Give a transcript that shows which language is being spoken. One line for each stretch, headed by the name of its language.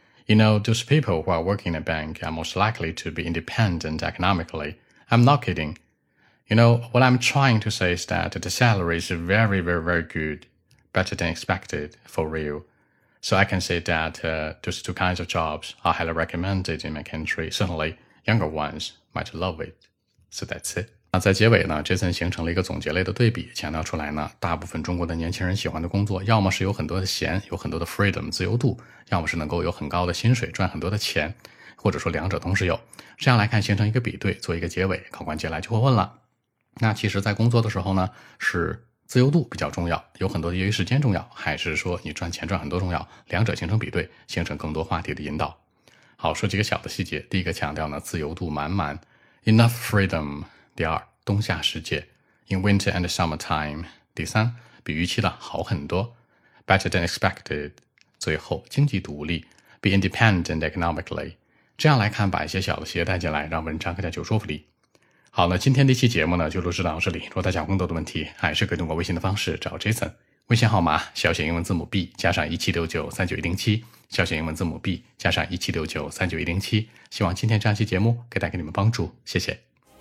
English: You know, those people who are working in a bank are most likely to be independent economically. I'm not kidding. You know, what I'm trying to say is that the salary is very, very, very good, better than expected, for real. So I can say that those two kinds of jobs are highly recommended in my country. Certainly, younger ones might love it. So that's it.
Chinese: 那在结尾呢 Jason 形成了一个总结类的对比，强调出来呢，大部分中国的年轻人喜欢的工作，要么是有很多的闲，有很多的 freedom 自由度，要么是能够有很高的薪水，赚很多的钱，或者说两者同时有。这样来看形成一个比对，做一个结尾，考官接下来就会问了，那其实在工作的时候呢，是自由度比较重要，有很多的业余时间重要，还是说你赚钱赚很多重要？两者形成比对，形成更多话题的引导。好，说几个小的细节。第一个强调呢，自由度满满，
English: enough freedom。
Chinese: 第二，冬夏时节 ，
English: in winter and summer time。
Chinese: 第三，比预期的好很多 ，
English: better than expected。
Chinese: 最后，经济独立 ，
English: be independent economically。
Chinese: 这样来看，把一些小的细节带进来，让文章更加有说服力。好，那今天这期节目呢，就录制到这里。如果大家有更多的问题，还是可以通过微信的方式找 Jason， 微信号码小写英文字母 B 加上17693917，小写英文字母 B 加上17693917。希望今天这期节目可以带给你们帮助，谢谢。